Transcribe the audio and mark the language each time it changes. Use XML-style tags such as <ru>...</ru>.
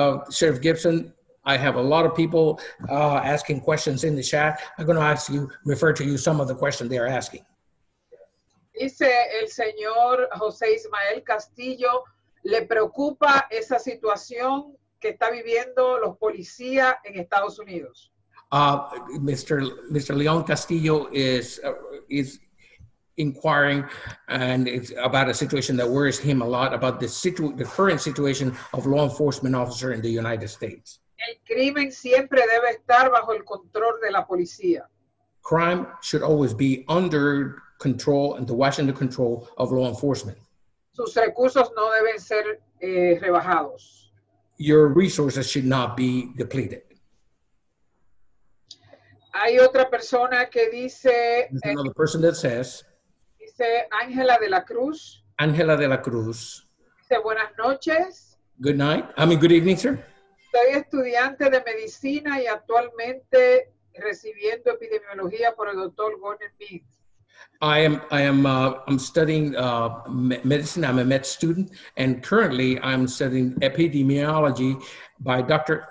<en>Sheriff Gibson, I have a lot of people asking questions in the chat. I'm going to ask you, refer to you some of the questions they are asking.</en> <es>Dice el señor José Ismael Castillo, ¿le preocupa esa situación que está viviendo los policías en Estados Unidos?</es> <en>Mr. Leon Castillo is inquiring, and it's about a situation that worries him a lot, about the current situation of law enforcement officer in the United States.</en> <es>El crimen siempre debe estar bajo el control de la policía.</es> <en>Crime should always be under control and the Washington control of law enforcement.</en> <es>Sus recursos no deben ser rebajados.</es> <en>Your resources should not be depleted.</en> <es>Hay otra persona que dice,</es> <en>there's another person that says,</en> <es>dice Ángela de la Cruz. Ángela de la Cruz. Dice buenas noches.</es> <en>Good night. I mean, good evening, sir.</en> <es>Soy estudiante de medicina y actualmente recibiendo epidemiología por el doctor Gordon Mead.</es> <en>I'm studying medicine. I'm a med student and currently I'm studying epidemiology by doctor.</en>